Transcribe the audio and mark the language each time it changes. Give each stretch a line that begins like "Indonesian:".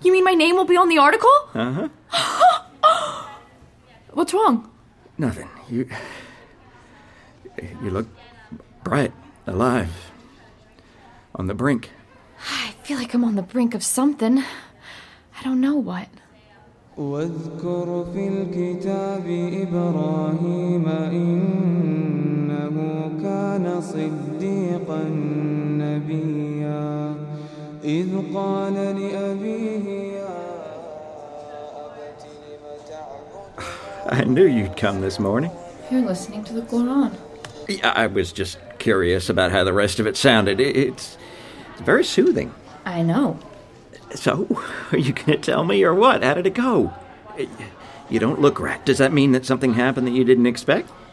English: You mean my name will be on the article? Uh-huh. What's wrong? Nothing. You look bright, alive, on the brink. I feel like I'm on the brink of something. I don't know what.
Arabic: واذكر في الكتاب إبراهيم إنه كان صديقا نبيا إذ قال لأبيه يا أبت لم تعبد.
English: I knew you'd come this morning. You're listening to the Quran. Yeah, I was just curious about how the rest of it sounded. It's very soothing. I know. So, are you going to tell me or what? How did it go? You don't look right. Does that mean that something happened that you didn't expect?